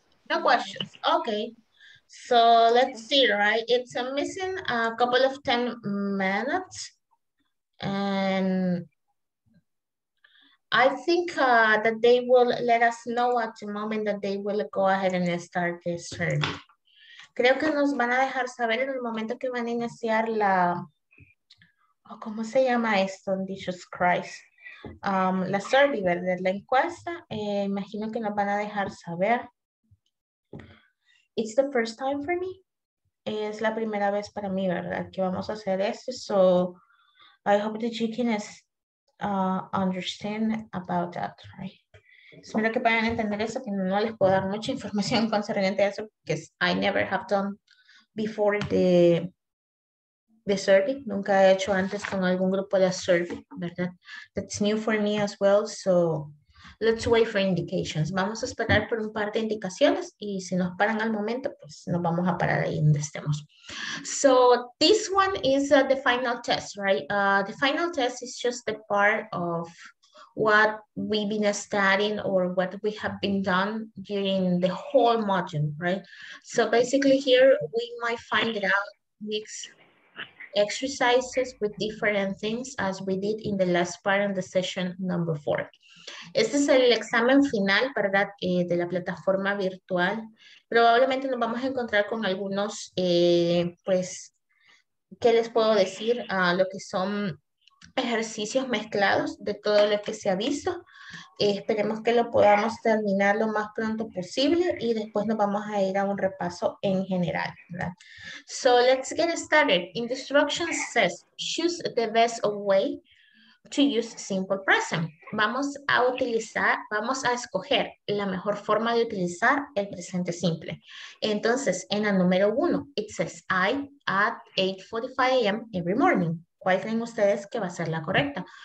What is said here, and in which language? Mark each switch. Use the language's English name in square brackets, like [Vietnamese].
[English] No questions. Okay. So let's see, right? It's missing a couple of 10 minutes. And I think that they will let us know at the moment that they will go ahead and start this journey. [Spanish] Creo que nos van a dejar saber en el momento que van a iniciar la, oh, ¿cómo se llama esto? [English] Jesus Christ. [Spanish] La survey, ¿verdad? La encuesta. Imagino que nos van a dejar saber. [English] It's the first time for me. [Spanish] Es la primera vez para mí, ¿verdad? Que vamos a hacer esto. [English] So I hope that you can understand about that, right? [Spanish] Espero que puedan entender eso, que no les puedo dar mucha información concerniente a eso, porque [English] I never have done before the survey. [Spanish] Nunca he hecho antes con algún grupo de survey, ¿verdad? [English] That's new for me as well, so let's wait for indications. [Spanish] Vamos a esperar por un par de indicaciones y si nos paran al momento, pues nos vamos a parar ahí donde estemos. [English] So this one is the final test, right? The final test is just the part of what we've been studying or what we have been done during the whole module, right? So basically here we might find it out, mix exercises with different things as we did in the last part in the session number 4. [Spanish] Este es el examen final, ¿verdad? De la plataforma virtual. Probablemente nos vamos a encontrar con algunos, pues, ¿qué les puedo decir? Lo que son ejercicios mezclados de todo lo que se ha visto. Esperemos que lo podamos terminar lo más pronto posible y después nos vamos a ir a un repaso en general, ¿verdad? [English] So, let's get started. Instruction says, choose the best way to use simple present. [Spanish] Vamos a utilizar, vamos a escoger la mejor forma de utilizar el presente simple. Entonces, en la número uno, [English] it says I at 8:45 a.m. every morning. [Spanish] ¿Cuál creen ustedes que va a ser la correcta?